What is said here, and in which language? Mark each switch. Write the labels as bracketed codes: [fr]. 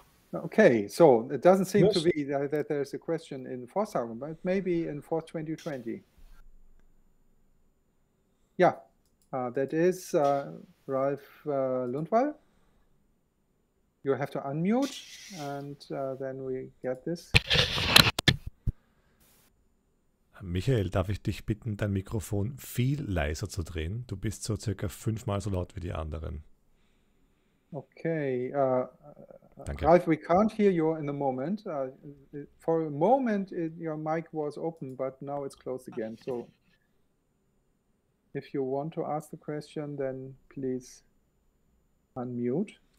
[en] Okay, so it doesn't seem to be that there's a question in Forth Tagung, but maybe in Forth 2020. Yeah, that is Ralf Lundwall. You have to unmute, and then we get this. [de] Michael, darf ich dich bitten, dein Mikrofon viel leiser zu drehen? Du bist so circa fünfmal so laut wie die anderen. [en] Okay. Ralf, we can't hear you in the moment. For a moment, your mic was open, but now it's closed again. So. If you want to ask the question, then please unmute.